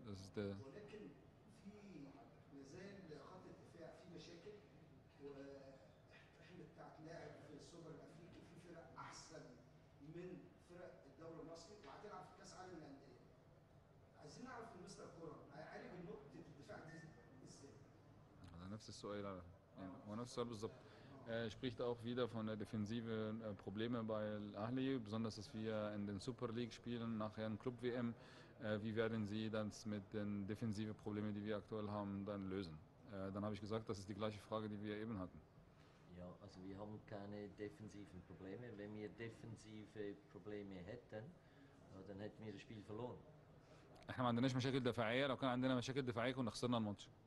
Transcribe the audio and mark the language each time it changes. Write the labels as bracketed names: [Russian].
[Arabic] ولكن في ما زال خط الدفاع في مشاكل واحنا بتاعت لاعب في السوبر الافريقي في فرق احسن من فرق الدوري المصري وهتلعب في كاس عالم الانديه. عايزين نعرف من مستر كوره هيعالج نقطه الدفاع دي ازاي؟ هذا نفس السؤال على ونفس السؤال بالظبط. [German] Er spricht auch wieder von der defensiven Probleme bei Ahli, besonders dass wir in den Super League spielen, nachher in Club-WM. Wie werden Sie das mit den defensiven Problemen, die wir aktuell haben, dann lösen? Dann habe ich gesagt, das ist die gleiche Frage, die wir eben hatten. Ja, also wir haben keine defensiven Probleme. Wenn wir defensive Probleme hätten, dann hätten wir das Spiel verloren. [Arabic] احنا ما عندناش مشاكل دفاعية، لو كان عندنا مشاكل دفاعية كنا خسرنا الماتش.